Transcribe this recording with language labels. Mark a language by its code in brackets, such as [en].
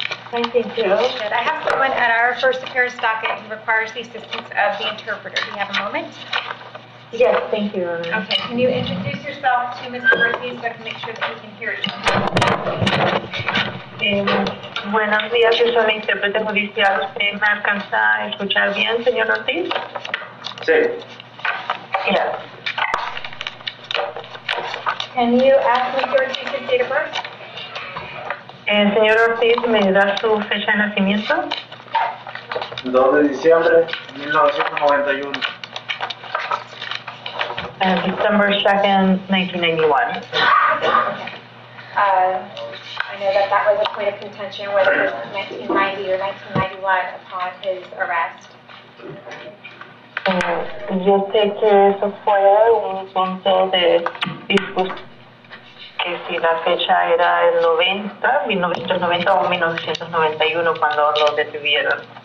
[en] Thank you. I have someone at our first appearance docket who requires the assistance of the interpreter. Do you have a moment? Yes, thank you, Your Honor. Okay, can you introduce yourself to Mr. Ortiz so I can make sure that he can hear you? [es] Buenos días, yo soy el intérprete judicial. ¿Usted me alcanza a escuchar bien, señor Ortiz? Sí. [en] Yes. Can you ask Mr. Ortiz his date of birth? [es] Señor Ortiz, ¿me da su fecha de nacimiento? 2 de diciembre, 1991. [en] December 2nd, 1991. I know that that was a point of contention, whether it was 1990 or 1991 upon his arrest. [es] Yo sé que eso fue un punto de discusión. Que si la fecha era el 90, 1990 o 1991 cuando lo detuvieron.